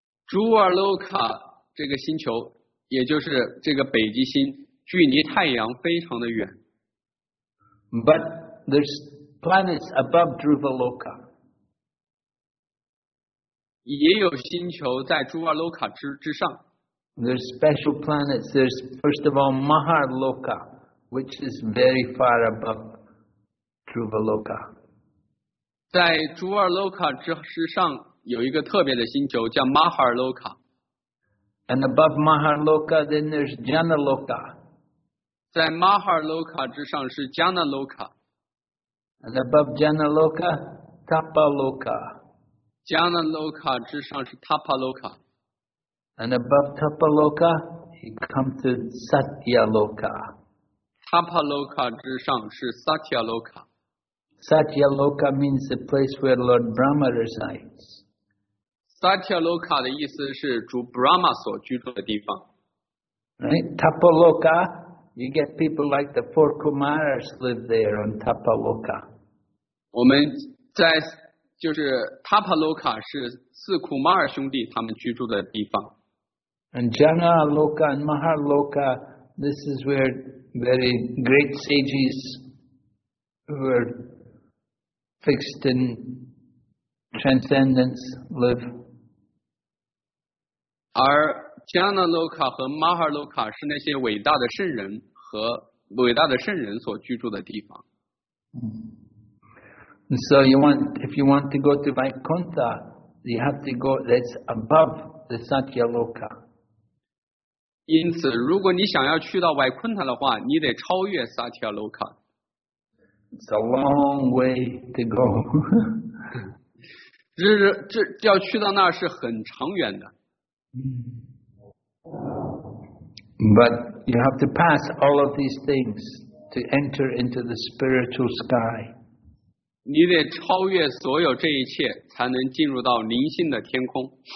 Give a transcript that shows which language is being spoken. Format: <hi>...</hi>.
<zh>Dhruva Loka 这个星球，也就是这个北极星，距离太阳非常的远。</zh> <en>But there's planets above Dhruva Loka.</en> <zh>也有星球在朱瓦洛卡之上。</zh> <en>There's special planets. There's first of all Mahar Loka, which is very far above Dhruva Loka.</en> <zh>在朱瓦洛卡之上有一个特别的星球叫 Mahar Loka.</zh> <en>And above Mahar Loka, then there's Jnana Loka.</en> <zh>在 Mahar Loka 之上是 Jnana Loka.</zh> <en>And above Jnana Loka, Tapa Loka.</en> <zh>Jnana Loka 之上是 Tapa Loka.</zh> <en>And above Tapa Loka, he comes to Satya Loka.</en> <zh>Tapa Loka 之上是 Satya Loka.</zh> <en>Satya Loka means the place where Lord Brahma resides.</en> <zh>Satya Loka 的意思是主 Brahma 所居住的地方。</zh> <en>Right? Tapaloka, you get people like the four Kumaras live there on Tapaloka.</en> <zh>我们在就是 Tapaloka 是四库马尔兄弟他们居住的地方。</zh> <en>And Jana Loka and Mahaloka, this is where very great sages were fixed in transcendence live.</en> <zh>而 Jana Loka 和 Mahaloka 是那些伟大的圣人和伟大的圣人所居住的地方。</zh> <en>And so you want, if you want to go to Vaikuntha, you have to go that's above the Satya Loka.</en> <zh>因此，如果你想要去到 Vaikuntha 的话，你得超越 Satya Loka.</zh> <en>It's a long way to go.</en> <zh>这要去到那是很长远的。</zh> <en>But you have to pass all of these things to enter into the spiritual sky.</en> <zh>你得超越所有这一切才能进入到灵性的天空。</zh>